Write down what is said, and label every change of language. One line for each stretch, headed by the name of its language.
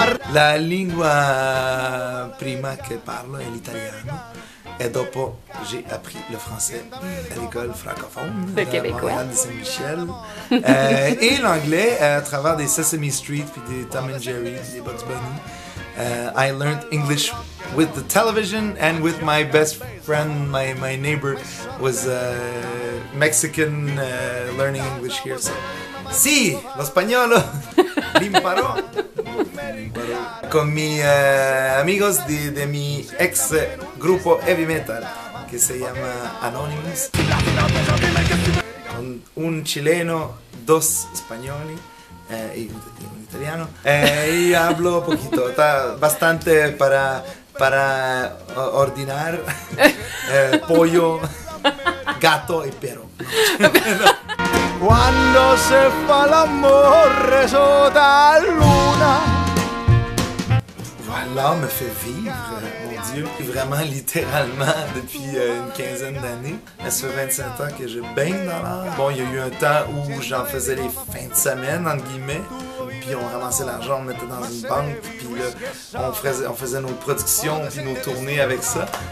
Italian: La lingua prima che parlo è l'italiano e dopo
French: j'ai appris le français à l'école francophone de Montréal de Saint-Michel et l'anglais à travers des Sesame Street puis des Tom and Jerry, des Bugs Bunny.
English: I learned English with the television and with my best friend, my neighbor was Mexican, learning English here.
Italian: So, sì, lo spagnolo l'imparò.
Spanish: Con mi amigos de mi ex gruppo heavy metal
Italian: che si chiama
Spanish: Anonymous. Con un chileno, dos
Italian: spagnoli. Un italiano.
Spanish: Io hablo poquito, bastante para ordinar pollo,
Italian: gatto e
Spanish: pero.
Italian: Quando se fa l'amore sotto la luna.
French: Voilà, me fait vivre, mon Dieu, vraiment littéralement depuis une quinzaine d'années. Ça fait 25 ans que j'ai baigné dans l'art. Bon, il y a eu un temps où j'en faisais les fins de semaine, entre guillemets. Puis on ramassait l'argent, on mettait dans une banque. Puis là, on faisait nos productions, puis nos tournées avec ça.